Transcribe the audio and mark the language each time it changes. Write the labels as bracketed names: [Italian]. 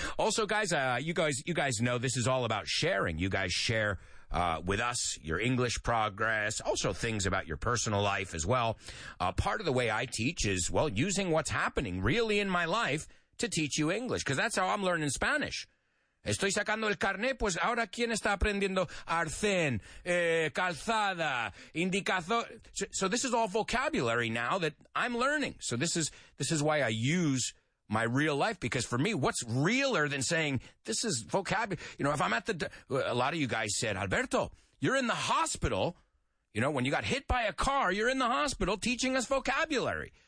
[English] Also, guys, you guys know this is all about sharing. You guys share with us your English progress, also things about your personal life as well. Part of the way I teach is, well, using what's happening really in my life to teach you English, because that's how I'm learning Spanish. [Spanish] Estoy sacando el carnet, pues ahora quién está aprendiendo arcén, calzada, indicazón. [English] So this is all vocabulary now that I'm learning. So this is why I use my real life, because for me, what's realer than saying this is vocabulary? You know, if I'm at the, a lot of you guys said, Alberto, you're in the hospital. You know, when you got hit by a car, you're in the hospital teaching us vocabulary.